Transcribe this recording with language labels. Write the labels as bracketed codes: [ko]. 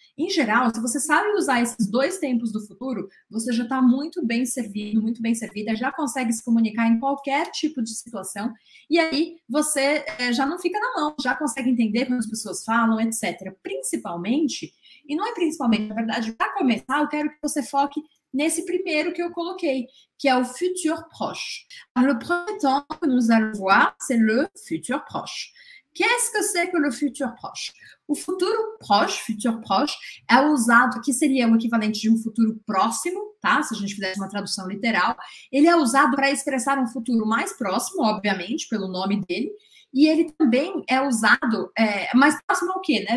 [pt] Em geral, se você sabe usar esses dois tempos do futuro, você já está muito bem servido, muito bem servida, já consegue se comunicar em qualquer tipo de situação. E aí você já não fica na mão, já consegue entender quando as pessoas falam, etc. Principalmente, e não é principalmente, na verdade, para começar, eu quero que você foque nesse primeiro que eu coloquei, que é o futur proche. [fr] Alors, le premier temps que nous allons voir, c'est le futur proche. Qu'est-ce que c'est que le futur proche? [pt] O futuro proche, futur proche, é usado, que seria o equivalente de um futuro próximo, tá? Se a gente fizesse uma tradução literal, ele é usado para expressar um futuro mais próximo, obviamente, pelo nome dele, e ele também é usado, mais próximo ao quê, né?